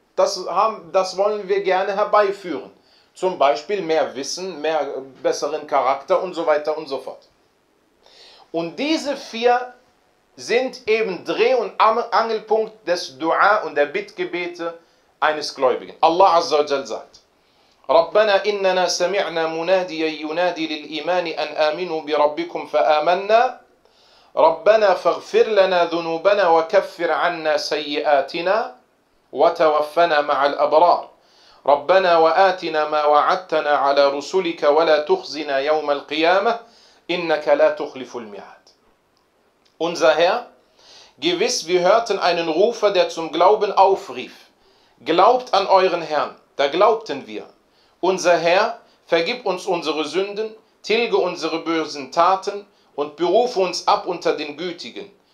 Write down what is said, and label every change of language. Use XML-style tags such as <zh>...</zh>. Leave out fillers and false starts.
<de>Das wollen wir gerne herbeiführen. Zum Beispiel mehr Wissen, mehr besseren Charakter und so weiter und so fort. Und diese vier sind eben Dreh- und Angelpunkt des Dua und der Bittgebete eines Gläubigen.</de> <ar>Allah Azza wa Jal sagt, رَبَّنَا إِنَّنَا سَمِعْنَا مُنَادِيَ يُنَادِي لِلْإِيمَانِ أَنْ آمِنُوا بِرَبِّكُمْ فَآمَنَّا رَبَّنَا فَغْفِرْ لَنَا ذُنُوبَنَا وَكَفِّرْ عَنَّا سَيِّئَاتِنَا وتوفنا مع الأبرار ربنا وآتنا ما وعدتنا على رسلك ولا تخزنا يوم القيامة إنك لا تخلف الميعاد.</ar> <de>Unser Herr, gewiss, wir hörten einen Rufer, der zum Glauben aufrief. Glaubt an euren Herrn, da glaubten wir. Unser Herr, vergib uns unsere Sünden, tilge unsere bösen Taten und berufe uns ab unter den Gütigen.</de>